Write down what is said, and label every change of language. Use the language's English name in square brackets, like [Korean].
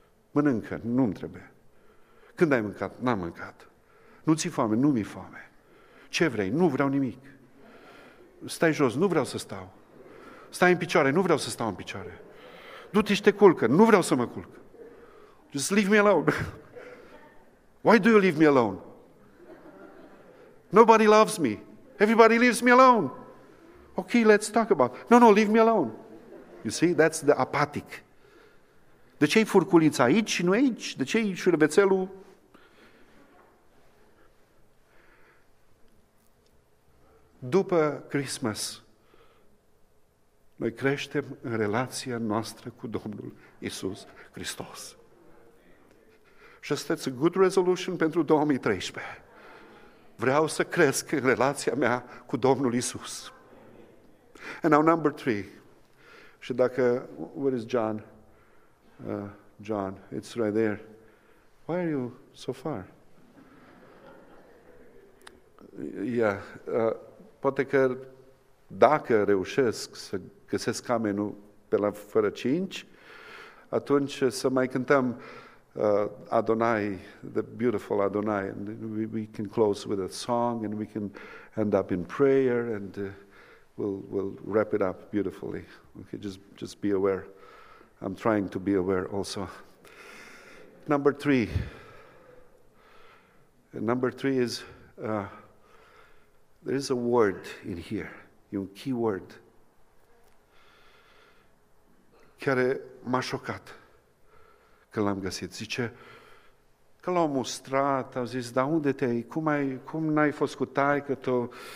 [Romanian] Mănâncă, nu-mi trebuie. Când ai mâncat? N-am mâncat. Nu ți-i foame? Nu mi-e foame. Ce vrei? Nu vreau nimic. Stai jos, nu vreau să stau. Stai în picioare, nu vreau să stau în picioare. Du-te și te culcă, nu vreau să mă culc. [English] Just leave me alone. Why do you leave me alone? Nobody loves me. Everybody leaves me alone. Okay, let's talk about. No, no, leave me alone. You see, that's the apathic. [Romanian] De ce-i furculița aici și nu aici? De ce-i șurbețelul? După Christmas, noi creștem în relația noastră cu Domnul Iisus Hristos. Și asta e [English] a good resolution [Romanian] pentru 2013. Vreau să cresc în relația mea cu Domnul Iisus. [English] And now number three. [Romanian] Și dacă, [English] where is John? John, it's right there. Why are you so far? Yeah, [Romanian] poate că dacă reușesc să găsesc amenul pe la fără cinci, atunci să mai cântăm [English] Adonai, the beautiful Adonai, and we can close with a song and we can end up in prayer and we'll wrap it up beautifully. Okay, just be aware. I'm trying to be aware also. Number three. There is a word in here, [Romanian] un key word, care m-a șocat când l-am găsit. Zice că l-au mustrat, au zis, dar unde te-ai, cum n-ai fost cu taică tău?